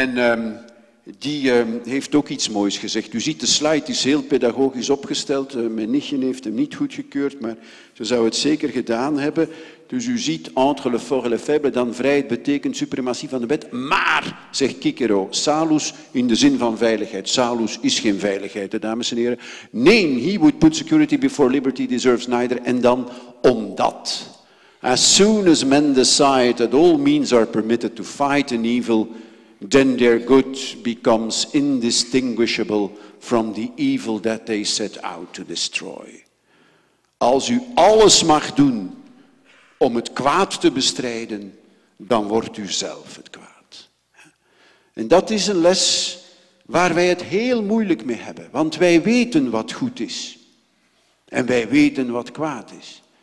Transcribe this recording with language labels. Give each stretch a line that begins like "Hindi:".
Dutch: En die heeft ook iets moois gezegd. U ziet, de slide is heel pedagogisch opgesteld. Mijn nichtje heeft hem niet goedgekeurd, maar ze zou het zeker gedaan hebben. Dus u ziet,
French: entre le fort et le faible,
Dutch: dan vrijheid betekent suprematie van de wet. Maar, zegt Cicero, salus in de zin van veiligheid. Salus is geen veiligheid, hè, dames en heren.
English: Nee, he would put security before liberty deserves neither.
Dutch: En dan, omdat.
English: As soon as men decide that all means are permitted to fight an evil, then their good becomes indistinguishable from the evil that they set out to destroy.
Dutch: Als u alles mag doen om het kwaad te bestrijden, dan wordt u zelf het kwaad. En dat is een les waar wij het heel moeilijk mee hebben. Want wij weten wat goed is. En wij weten wat kwaad is.